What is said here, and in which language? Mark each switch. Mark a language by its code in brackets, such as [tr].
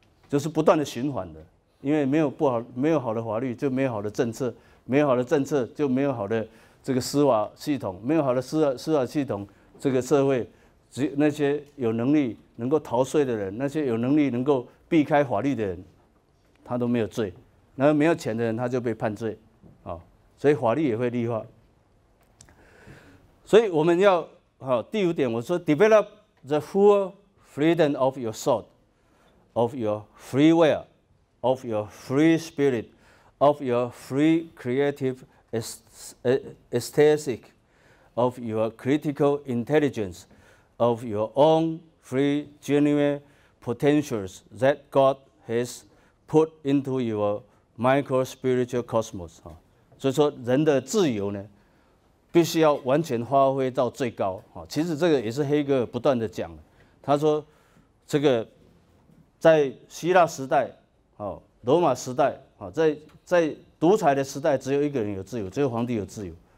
[zh] 就是不断的循环的，因为没有好的法律，就没有好的政策，没有好的政策，就没有好的这个司法系统，没有好的司法系统，这个社会，只那些有能力能够逃税的人，那些有能力能够避开法律的人，他都没有罪，然后没有钱的人他就被判罪，所以法律也会立化，所以我们要第五点，我说 [en] develop the full freedom of your thought。 of your free will, of your free spirit, of your free creative aesthetic, of your critical intelligence, of your own free genuine potentials that God has put into your micro spiritual cosmos. [zh] 所以说人的自由呢必须要完全发挥到最高。其实这个也是黑格尔不断的讲，他说这个在希腊时代、罗马时代、在独裁的时代只有一个人有自由，只有皇帝有自由。